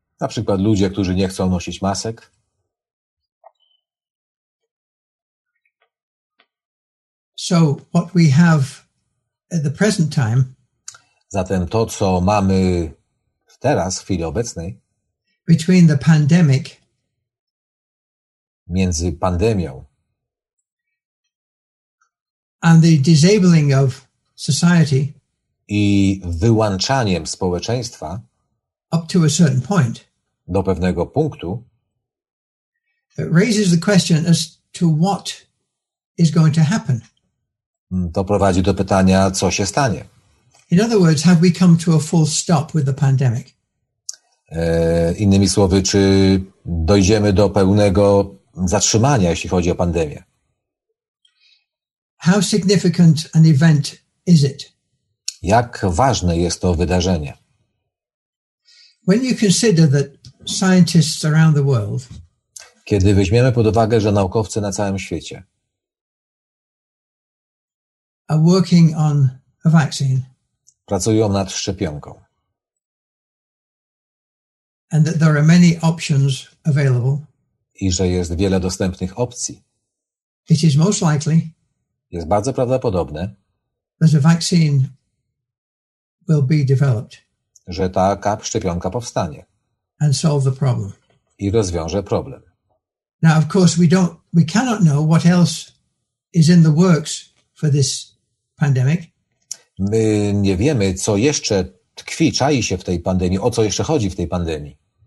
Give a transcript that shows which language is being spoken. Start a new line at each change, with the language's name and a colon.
Polish: Na przykład ludzie, którzy nie chcą nosić masek.
English: So what we have at the present time,
Polish: zatem to, co mamy teraz, w chwili obecnej,
English: between the pandemic,
Polish: między pandemią
English: and the disabling of society,
Polish: i wyłączaniem społeczeństwa
English: up to a certain point,
Polish: do pewnego punktu,
English: it raises the question as to what is going to happen.
Polish: To prowadzi do pytania, co się stanie.
English: In other words, have we come to a full stop with the pandemic?
Polish: Innymi słowy, czy dojdziemy do pełnego zatrzymania, jeśli chodzi o pandemię?
English: How significant an event is it?
Polish: Jak ważne jest to wydarzenie?
English: When you consider that scientists around the world,
Polish: kiedy weźmiemy pod uwagę, że naukowcy na całym świecie
English: are working on a vaccine,
Polish: pracują nad szczepionką,
English: and that there are many options available,
Polish: i że jest wiele dostępnych opcji,
English: it is most likely,
Polish: jest bardzo prawdopodobne,
English: that a vaccine will be developed,
Polish: że taka szczepionka powstanie
English: and solve the problem,
Polish: i rozwiąże problem.
English: Now, of course, we cannot know what else is in the works for this pandemic.
Polish: My nie wiemy, co jeszcze tkwi, czai się w tej pandemii, o co jeszcze chodzi w tej pandemii.